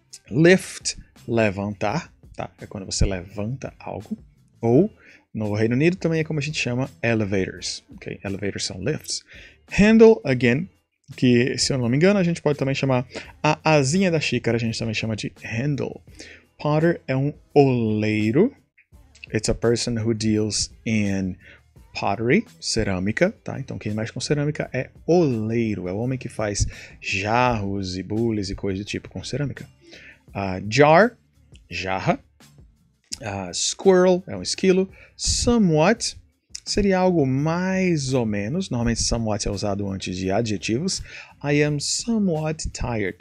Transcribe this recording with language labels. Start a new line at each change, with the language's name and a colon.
Portuguese: Lift, levantar, tá? É quando você levanta algo. Ou, no Reino Unido, também é como a gente chama elevators. Okay? Elevators são lifts. Handle, again, que se eu não me engano, a gente pode também chamar a asinha da xícara, a gente também chama de handle. Potter é um oleiro.
English: It's a person who deals in pottery,
Portuguese: cerâmica, tá? Então, quem mexe com cerâmica é oleiro. É o homem que faz jarros e bules e coisas do tipo com cerâmica. Jar, jarra. Squirrel, é um esquilo. Somewhat, seria algo mais ou menos. Normalmente, somewhat é usado antes de adjetivos.
English: I am somewhat tired.